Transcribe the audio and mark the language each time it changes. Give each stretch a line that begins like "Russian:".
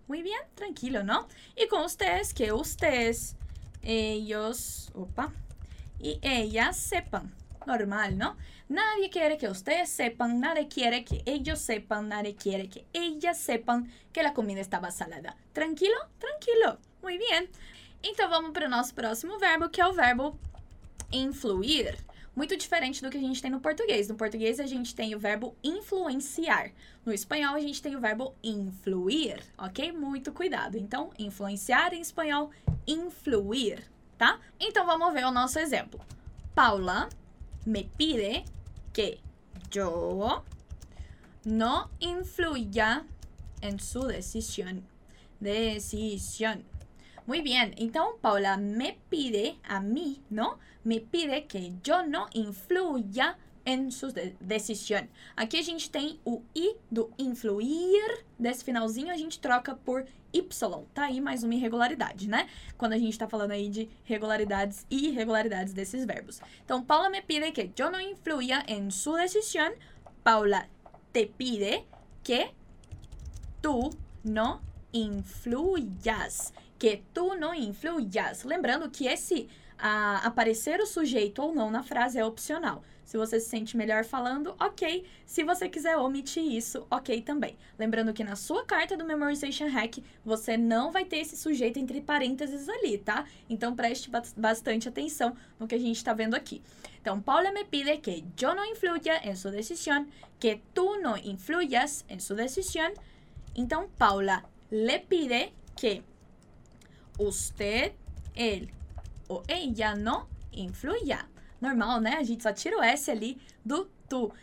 Spanish: Muy bien, tranquilo, ¿no? Y con ustedes, que ustedes, ellos, opa, y ellas sepan. Normal, ¿no? Nadie quiere que ustedes sepan, nadie quiere que ellos sepan, nadie quiere que ellas sepan que la comida estaba salada. ¿Tranquilo? Tranquilo. Muy bien.
Portuguese: Então vamos para o nosso próximo verbo, que é o verbo influir. Muito diferente do que a gente tem no português. No português a gente tem o verbo influenciar. No espanhol a gente tem o verbo influir, ok? Muito cuidado. Então, influenciar em espanhol, influir, tá? Então vamos ver o nosso exemplo.
Spanish: Paula me pide que yo no influya en su decisión. Decisión. Muy bien. Então, Paula me pide a mí, ¿no? Me pide que yo no influya en su decisión.
Portuguese: Aqui a gente tem o I do influir. Desse finalzinho a gente troca por Y. Tá aí mais uma irregularidade, né? Quando a gente tá falando aí de regularidades e irregularidades desses verbos.
Spanish: Então, Paula me pide que yo no influya en su decisión. Paula te pide que tú no influyas. Que tu não influyas.
Portuguese: Lembrando que esse aparecer o sujeito ou não na frase é opcional. Se você se sente melhor falando, ok. Se você quiser omitir isso, ok também. Lembrando que na sua carta do Memorization Hack, você não vai ter esse sujeito entre parênteses ali, tá? Então, preste bastante atenção no que a gente está vendo aqui.
Spanish: Então, Paula me pide que yo no influya en su decisión, que tu no influyas en su decisión.
Portuguese: Então,
Spanish: Paula le pide que usted, él o ella no influya.
Portuguese: Normal, né? A gente só tira o S ali do T. tú.